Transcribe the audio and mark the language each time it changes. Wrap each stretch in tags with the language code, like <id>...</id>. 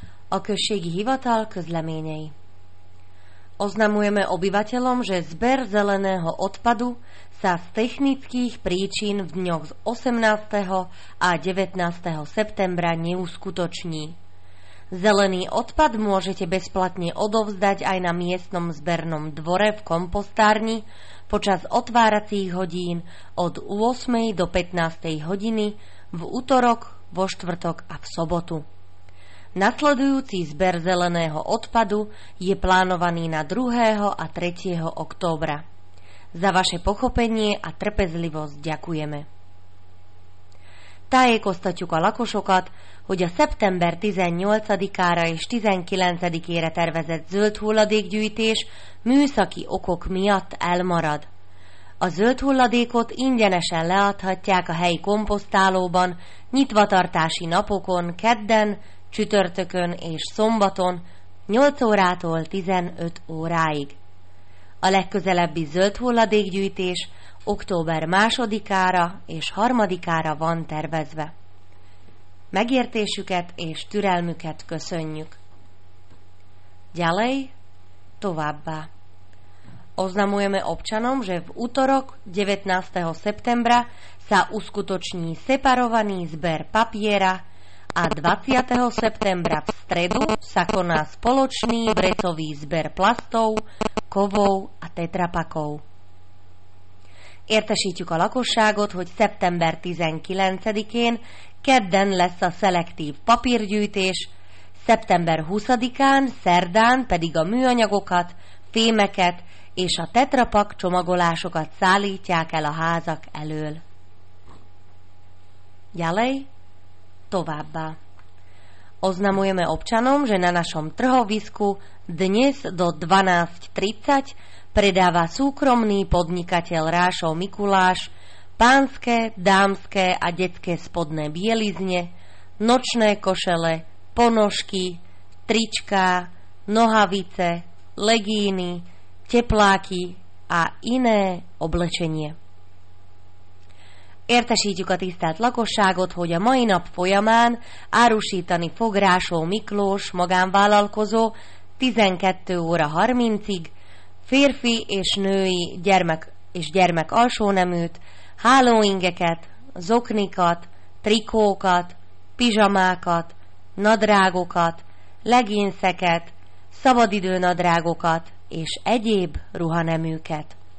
<hu>Okršiek hivatal közleményei.</hu> <sk>Oznamujeme obyvateľom, že zber zeleného odpadu sa z technických príčin v dňoch z 18. a 19. septembra neuskutoční. Zelený odpad môžete bezplatne odovzdať aj na miestnom zbernom dvore v kompostárni počas otváracích hodín od 8. do 15. hodiny v utorok, vo štvrtok a v sobotu. Nasledujúci zber zeleného odpadu je plánovaný na 2. a 3. októbra. Za vaše pochopenie a trpezlivosť ďakujeme.</sk> <hu>Tájé kosztatjuk a lakosokat, hogy a szeptember 18-ára és 19-ére tervezett zöld hulladékgyűjtés műszaki okok miatt elmarad. A zöld hulladékot ingyenesen leadhatják a helyi komposztálóban nyitvatartási napokon kedden, csütörtökön és szombaton 8 órától 15 óráig. A legközelebbi zöld hulladékgyűjtés október 2-ára és 3-ára van tervezve. Megértésüket és türelmüket köszönjük.</hu> <sk>Ďalej, továbbá. Oznamujeme občanom, že v útorok 19. septembra sa uskutoční separovaný zber papiera a 20. septembra v stredu sa koná spoločný vrecový zber plastov, kovov a tetrapakov.</sk> <hu>Értesítjük a lakosságot, hogy szeptember 19-én kedden lesz a szelektív papírgyűjtés, szeptember 20-án, szerdán pedig a műanyagokat, fémeket és a tetrapak csomagolásokat szállítják el a házak elől.</hu> <sk>Ďalej, továbbá. Oznamujeme občanom, že na našom trhovisku dnes do 12.30 predáva súkromný podnikateľ Rášov Mikuláš pánske, dámske a detské spodné bielizne, nočné košele, ponožky, tričká, nohavice, legíny, tepláky a iné oblečenie.</sk> <hu>Értesítjük a tisztelt lakosságot, hogy a mai nap folyamán árusítani fog Rášov Miklós magánvállalkozó 12 óra 30-ig férfi és női gyermek és gyermek alsóneműt, hálóingeket, zoknikat, trikókat, pizsamákat, nadrágokat, leginszeket, szabadidő nadrágokat és egyéb ruhaneműket.</hu>